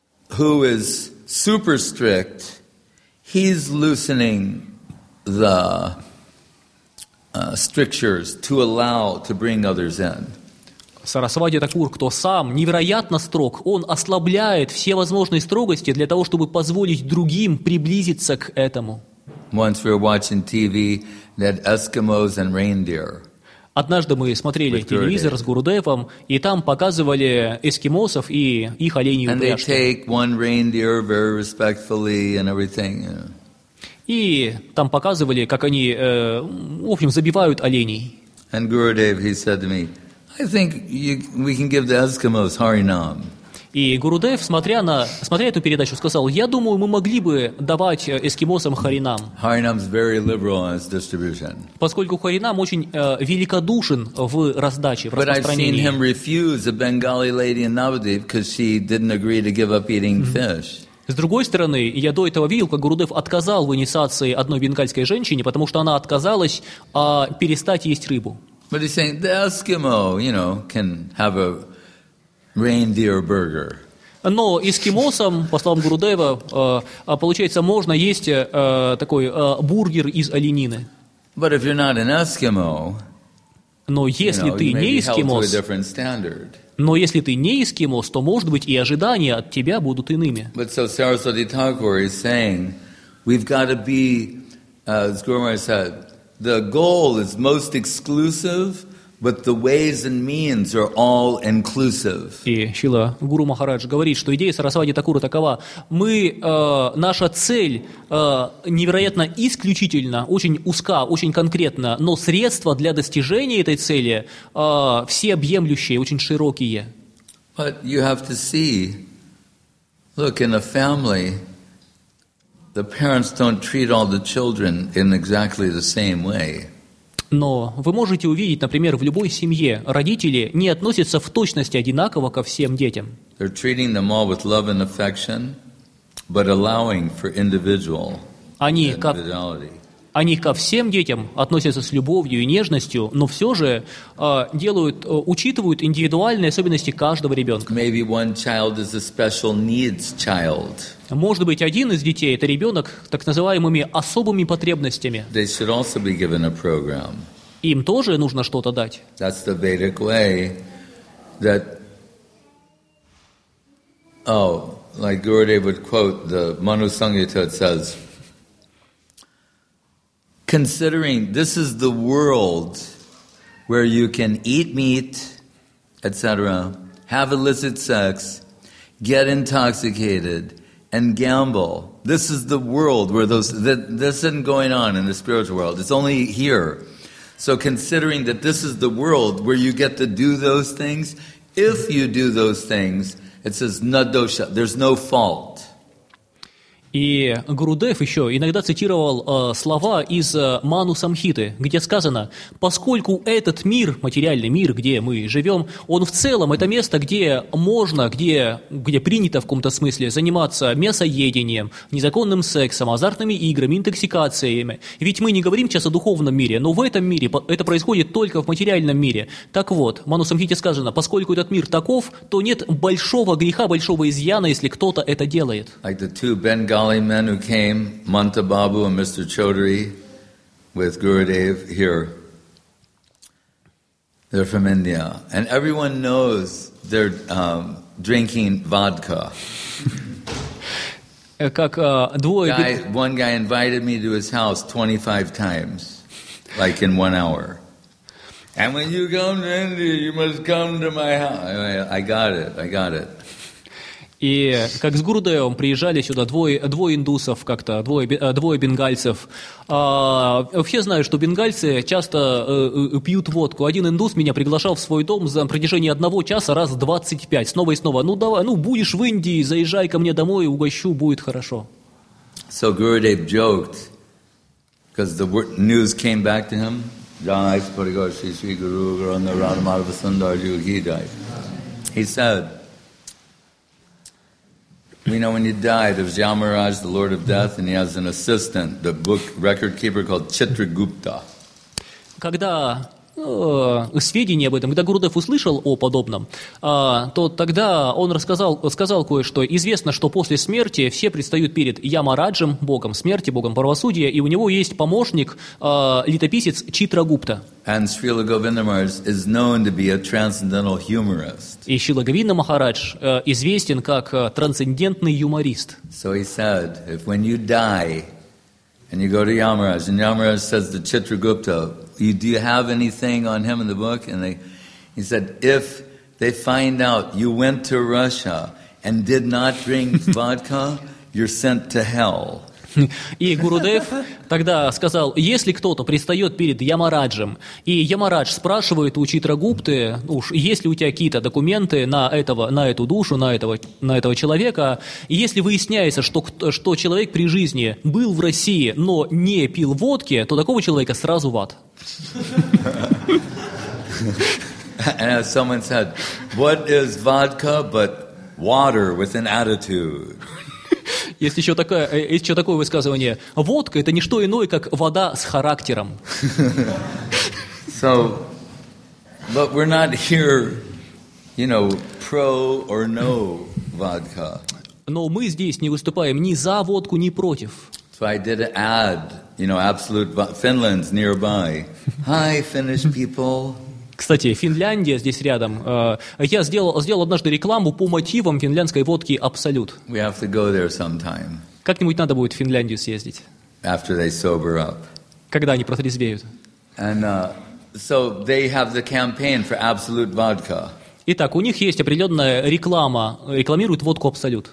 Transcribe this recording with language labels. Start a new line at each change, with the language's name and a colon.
English: Who is super strict, he's loosening the strictures to allow to bring others in.
Russian: Сарасвати Такур, кто сам невероятно строг, он ослабляет все возможные строгости для того, чтобы позволить другим приблизиться к этому.
English: Once we were watching TV that Eskimos and reindeer.
Russian: Однажды мы смотрели телевизор с Гурудевом, и там показывали эскимосов и их оленей упряжки.
English: And they take one reindeer very respectfully and everything.
Russian: И там показывали, как они, в общем, забивают оленей.
English: And Gurudev, he said to me, I think we can give the Eskimos Harinam.
Russian: И Гурудев, смотря эту передачу, сказал, я думаю, мы могли бы давать эскимосам Харинам.
English: Harinam is very liberal in its distribution.
Russian: Поскольку Харинам очень великодушен в раздаче, в распространении.
English: But I've seen him refuse a Bengali lady in Navadvip because she didn't agree to give up eating fish.
Russian: С другой стороны, я до этого видел, как Гурудев отказал в инициации одной бенгальской женщине, потому что она отказалась перестать есть рыбу.
English: But he's saying the Eskimo, you know, can have a reindeer burger.
Russian: Но эскимосам, по словам Гурудева, получается, можно есть такой бургер из оленины.
English: But if you're not an Eskimo,
Russian: но если ты не эскимос, но если ты не эскимос, то, может быть, и ожидания от тебя будут иными.
English: But so Saraswati Thakur is saying, we've got to be, as Guru Maharaj said, the goal is most exclusive, but the ways and means are all inclusive.
Russian: И Шрила Гуру Махарадж говорит, что идея Сарасвати Такура такова. Мы, наша цель невероятно исключительна, очень узка, очень конкретна, но средства для достижения этой цели всеобъемлющие, очень широкие.
English: But you have to see, look, in a family, the parents don't treat all the children in exactly the same way.
Russian: Но вы можете увидеть, например, в любой семье родители не относятся в точности одинаково ко всем детям.
English: They're treating them all with love and affection, but allowing for individual individuality.
Russian: Они ко всем детям относятся с любовью и нежностью, но все же учитывают индивидуальные особенности каждого ребенка.
English: Maybe one child is a special needs child.
Russian: Может быть, один из детей – это ребенок с так называемыми особыми потребностями.
English: They should also be given a program.
Russian: Им тоже нужно что-то дать.
English: That's the Vedic way that... Oh, like Gurudev would quote the Manu Sangita, it says... Considering this is the world where you can eat meat, etc., have illicit sex, get intoxicated, and gamble. This is the world where this isn't going on in the spiritual world. It's only here. So considering that this is the world where you get to do those things, if you do those things, it says nadosha, there's no fault.
Russian: И Гурудев еще иногда цитировал слова из Ману Самхиты, где сказано, поскольку этот мир, материальный мир, где мы живем, он в целом это место, где можно, где принято в каком-то смысле заниматься мясоедением, незаконным сексом, азартными играми, интоксикациями. Ведь мы не говорим сейчас о духовном мире, но в этом мире это происходит только в материальном мире. Так вот, Ману Самхите сказано, поскольку этот мир таков, то нет большого греха, большого изъяна, если кто-то это делает.
English: Bengali men who came, Manta Babu and Mr. Chaudhary, with Gurudev here. They're from India. And everyone knows they're drinking vodka. One guy invited me to his house 25 times, like in 1 hour. And when you come to India, you must come to my house. I got it.
Russian: И как с Гурудевом приезжали сюда двое индусов как-то, двое бенгальцев. Все знают, что бенгальцы часто пьют водку. Один индус меня приглашал в свой дом за протяжении 1 часа раз 25, снова и снова. Ну давай, ну будешь в Индии, заезжай ко мне домой, угощу, будет хорошо.
English: So Gurudev joked, because the news came back to him. Jais Parigarshi Sri Guru Granda Radhamadava Sundarji Ugidai. He said, we know when you die, there's Yamaraj, the Lord of Death, and he has an assistant, the book record keeper called Chitragupta.
Russian: Когда сведений об этом, когда Гурудев услышал о подобном, то тогда он сказал кое-что. Известно, что после смерти все предстают перед Ямараджем, богом смерти, богом правосудия, и у него есть помощник, летописец Читрагупта.
English: And Srila Govinda Maharaj is known to be a transcendental humorist.
Russian: И Шрила Говинда Махарадж известен как трансцендентный юморист.
English: So he said, if when you die and you go to Yamaraj, and Yamaraj says to Chitragupta, do you have anything on him in the book? And he said, if they find out you went to Russia and did not drink vodka, you're sent to hell.
Russian: И Гурудев тогда сказал, если кто-то предстает перед Ямараджем, и Ямарадж спрашивает у Читрагупты, уж есть ли у тебя какие-то документы на эту душу, на этого человека, и если выясняется, что человек при жизни был в России, но не пил водки, то такого человека сразу в ад.
English: And as someone said, what is vodka but water with an attitude?
Russian: Есть еще такое высказывание. Водка — это не что иное, как вода с характером.
English: So, but we're not here, you know, pro or no vodka.
Russian: Но мы здесь не выступаем ни за водку, ни против.
English: So I did add, you know, absolute Finland's nearby. Hi, Finnish people.
Russian: Кстати, Финляндия здесь рядом. Я сделал однажды рекламу по мотивам финляндской водки «Абсолют».
English: We have to go there sometime.
Russian: Как-нибудь надо будет в Финляндию съездить.
English: After they sober up.
Russian: Когда они протрезвеют.
English: And, so they have the campaign for absolute vodka.
Russian: Итак, у них есть определенная реклама, рекламируют водку «Абсолют».